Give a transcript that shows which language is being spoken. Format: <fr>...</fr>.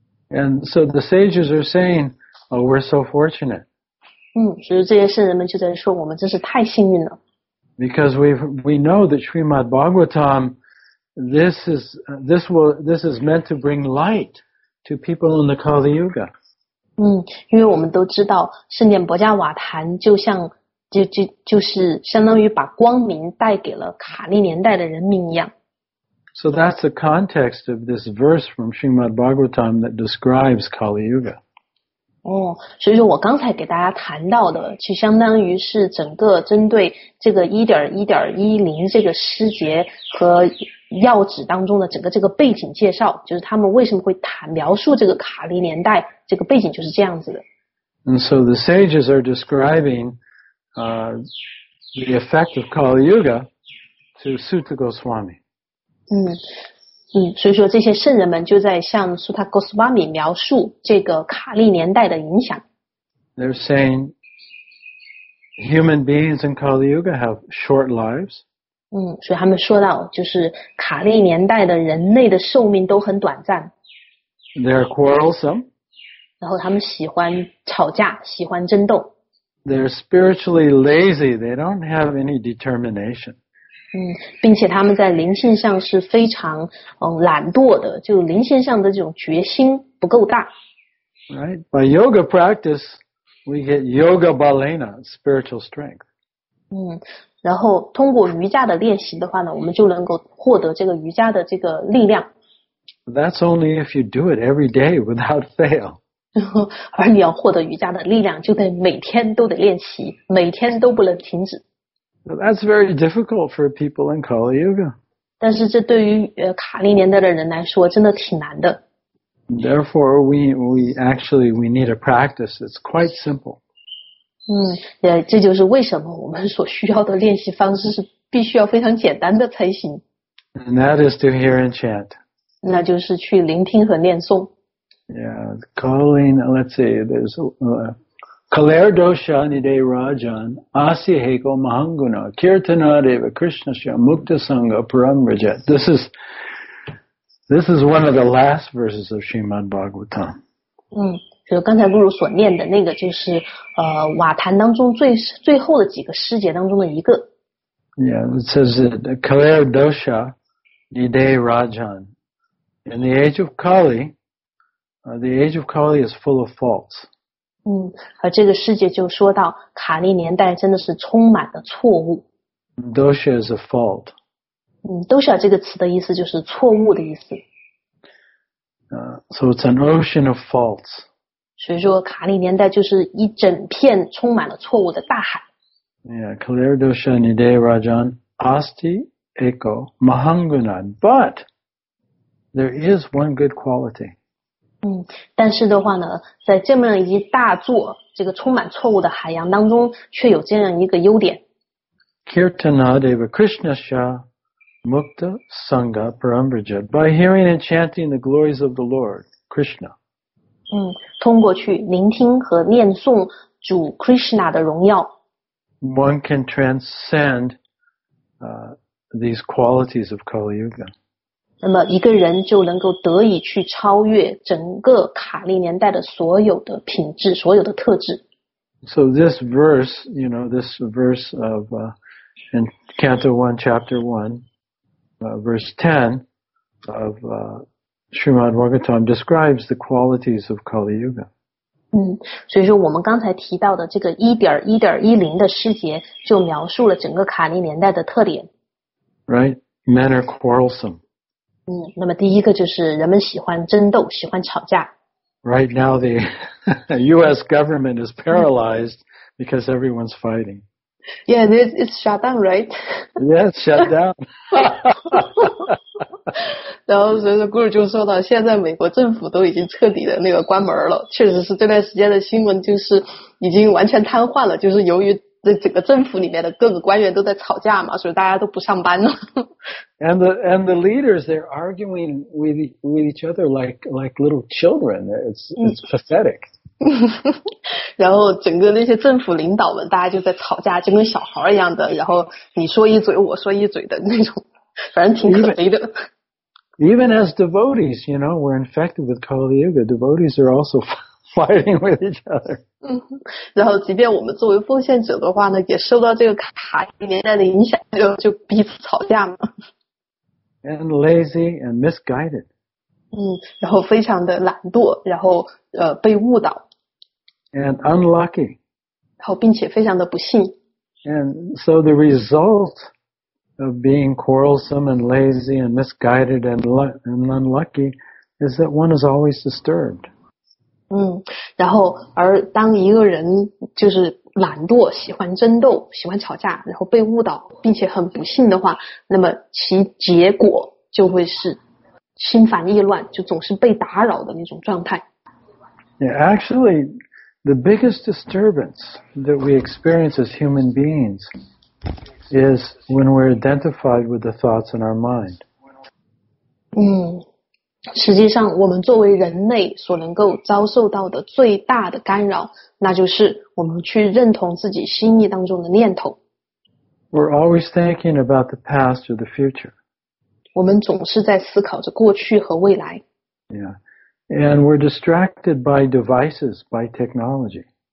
<en>And so the sages are saying, oh, we're so fortunate.</en> <zh>所以这些圣人们就在说我们真是太幸运了。</zh> <en>Because we know that Srimad Bhagavatam, this is meant to bring light to people in the Kali Yuga.</en> <zh>因为我们都知道圣典博迦瓦坛就是相当于把光明带给了卡利年代的人民一样。</zh> <en>So that's the context of this verse from Srimad Bhagavatam that describes Kali Yuga.</en> <zh>所以说我刚才给大家谈到的其实相当于是整个针对这个 1.1.10 这个诗节和要旨当中的整个这个背景介绍就是他们为什么会描述这个卡利年代这个背景就是这样子的。</zh> <en>And so the sages are describing, the effect of Kali Yuga to Sutta Goswami.</en> <zh>所以说这些圣人们就在向 Sutta Goswami 描述这个卡利年代的影响。</zh> <en>They're saying human beings in Kali Yuga have short lives.</en> <zh>所以他们说到就是卡利年代的人类的寿命都很短暂。</zh> <en>They're quarrelsome.</en> <zh>然后他们喜欢吵架，喜欢争斗。</zh> <en>They're spiritually lazy. They don't have any determination.</en> <zh>并且他们在灵性上是非常懒惰的，就灵性上的这种决心不够大。</zh> <en>Right, by yoga practice, we get yoga balena, spiritual strength.</en> <zh>然后通过瑜伽的练习的话呢，我们就能够获得这个瑜伽的这个力量。</zh> <en>That's only if you do it every day without fail.</en> <zh>而你要获得瑜伽的力量，就得每天都得练习，每天都不能停止。</zh> <en>That's very difficult for people in Kali Yuga.</en> <zh>但是这对于卡利年代的人来说真的挺难的。</zh> <en>Therefore, we need a practice that's quite simple.</en> <zh>这就是为什么我们所需要的练习方式是必须要非常简单的才行。</zh> <en>And that is to hear and chant.</en> <zh>那就是去聆听和念诵。</zh> <en>Yeah, calling, let's see, there's</en> <sa>Kalair dosha nide rajan asi heko mahanguna kirtana deva krishna sya mukta sangha param raja.</sa> <en>This is one of the last verses of Srimad Bhagavatam.</en> <zh>就刚才露露所念的那个就是瓦坛当中最后的几个诗节当中的一个。</zh> <en>Yeah, it says that</en> <sa>Kalair dosha Nide Rajan.</sa> <en>In the age of Kali, the age of Kali is full of faults.</en> <zh>嗯，而这个世界就说到卡利年代真的是充满了错误。</zh> <en>Dosha is a fault.</en> <zh>嗯 ，dosha 这个词的意思就是错误的意思。</zh> <en>So it's an ocean of faults.</en> <zh>所以说卡利年代就是一整片充满了错误的大海。</zh> <en>Yeah,</en> <sa>Kalir Dosha Nide Rajan Asti Eko Mahangunan,</sa> <en>but there is one good quality.</en> <zh>嗯，但是的话呢，在这么一大座这个充满错误的海洋当中，却有这样一个优点。</zh> <sa>Kirtana Deva Krishnasya Mukta Sangha Parambraja</sa> <en>by hearing and chanting the glories of the Lord Krishna.</en> <zh>嗯，通过去聆听和念诵主 Krishna 的荣耀。</zh> <en>One can transcend these qualities of Kali Yuga.</en> <zh>那么一个人就能够得以去超越整个卡利年代的所有的品质，所有的特质。</zh> <en>So this verse, you know, this verse of in Canto 1, Chapter 1, verse 10 of Srimad Bhagavatam describes the qualities of Kali Yuga.</en> <zh>嗯，所以说我们刚才提到的这个 1.1.10 的诗节就描述了整个卡利年代的特点。</zh> <en>Right? Men are quarrelsome.</en> <zh>嗯，那么第一个就是人们喜欢争斗，喜欢吵架。</zh> <en>Right now the US government is paralyzed because everyone's fighting. Yeah, it's shut down, right? Yeah, it's shut down.</en> <zh>然后所以说 Guru 就说到现在美国政府都已经彻底的那个关门了，确实是这段时间的新闻就是已经完全瘫痪了，就是由于这整个政府里面的各个官员都在吵架嘛，所以大家都不上班了。</zh> <en>And the leaders, they're arguing with each other like little children. It's pathetic.</en> <zh>然后整个那些政府领导们大家就在吵架，就跟小孩一样的，然后你说一嘴我说一嘴的那种，反正挺可悲的。</zh> <en>Even as devotees, you know, we're infected with Kali Yuga. Devotees are also fighting with each other.</en> <zh>嗯，然后即便我们作为奉献者的话呢，也受到这个卡利年代的影响，就彼此吵架嘛。</zh> <en>And lazy and misguided.</en> <zh>嗯，然后非常的懒惰，然后被误导。</zh> <en>And unlucky.</en> <zh>然后并且非常的不幸。</zh> <en>And so the result. Of being quarrelsome and lazy and misguided and unlucky is that one is always disturbed.</en> <zh>嗯，然后而当一个人就是懒惰，喜欢争斗，喜欢吵架，然后被误导，并且很不幸的话，那么其结果就会是心烦意乱，就总是被打扰的那种状态。</zh> <en>Yeah, actually, the biggest disturbance that we experience as human beings. Is when we're identified with the thoughts in our mind.</en> <zh>嗯，实际上我们作为人类所能够遭受到的最大的干扰，那就是我们去认同自己心意当中的念头。</zh> <en>We're always thinking about the past or the future.</en> <zh>我们总是在思考着过去和未来。</zh> <en>Yeah, and we're distracted by devices, by technology.</en>